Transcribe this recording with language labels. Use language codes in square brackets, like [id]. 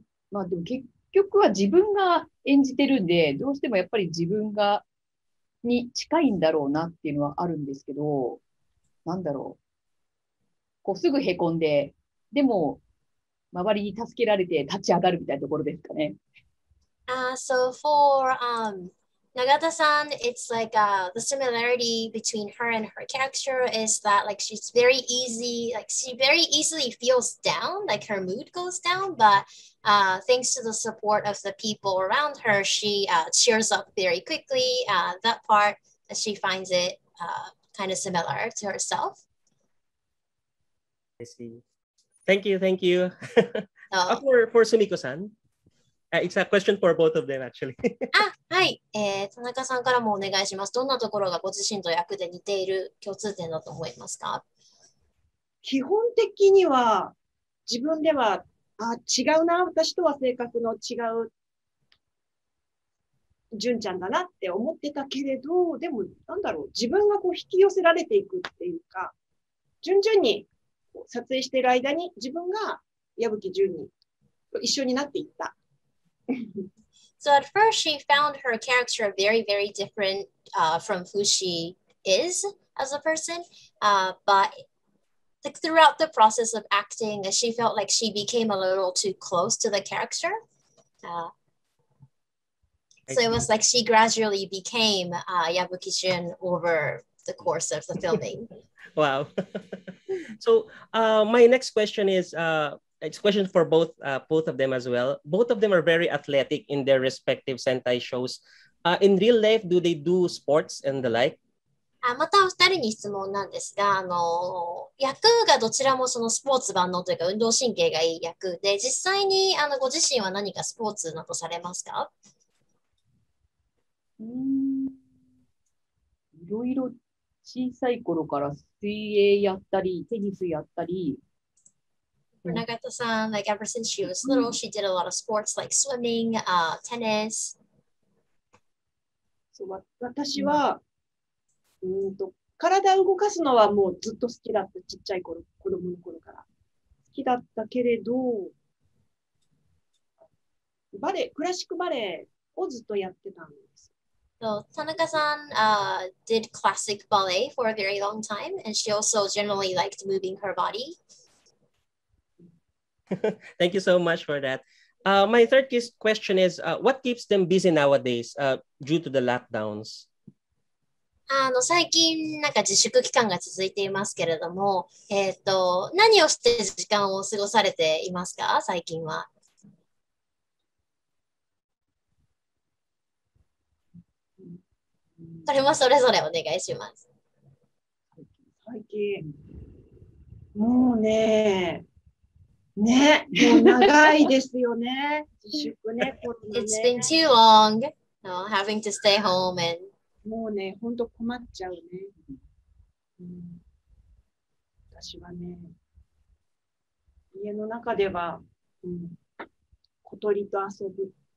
[ja] まあでも結局は自分が演じてるんで、どうしてもやっぱり自分がに近いんだろうなっていうのはあるんですけど、なんだろう。こうすぐへこんで、でも周りに助けられて立ち上がるみたいなところですかね。 [en] So for Nagata-san, it's like the similarity between her and her character is that like she's very easy, like she very easily feels down, like her mood goes down, but thanks to the support of the people around her, she cheers up very quickly. That part, she finds it kind of similar to herself. I see. Thank you, thank you. for Sumiko-san. It's a question for both of them, actually. [ja] はい。田中さんからもお願いします。どんなところがご自身と役で似ている共通点だと思いますか? 基本的には、自分では、あ、違うな、私とは性格の違う、純ちゃんだなって思ってたけれど、でも、なんだろう、自分がこう引き寄せられていくっていうか、順々に撮影している間に、自分が矢吹純に一緒になっていった。 [en] So at first she found her character very, very different from who she is as a person, but throughout the process of acting, she felt like she became a little too close to the character. So it was like she gradually became Yabuki-shun over the course of the filming. Wow. So my next question is... It's a question for both both of them as well. Both of them are very athletic in their respective Sentai shows. In real life, do they do sports and the like? [ja] またお二人に質問なんですが、役がどちらもそのスポーツ万能というか運動神経がいい役で、実際にご自身は何かスポーツなどされますか? いろいろ小さい頃から水泳やったり、テニスやったり、 [en] For Nagata-san, like ever since she was little, she did a lot of sports like swimming, tennis. [ja] So, 私は、体を動かすのはもうずっと好きだった、ちっちゃい頃、子供の頃から。好きだったけれど、バレー、クラシックバレーをずっとやってたんです。 [en] So Tanaka-san did classic ballet for a very long time, and she also generally liked moving her body. Thank you so much for that. My third question is, what keeps them busy nowadays due to the lockdowns? [ja] 最近なんか自粛期間が続いていますけれども、何をして時間を過ごされていますか、最近は。それもそれぞれお願いします。最近、もうね。ね、もう長いですよね。自粛ね、コ [en] ロナね。It's been too long, having to stay home and... [ja] もうね、本当困っちゃうね。私はね、家の中では、小鳥と遊ぶ。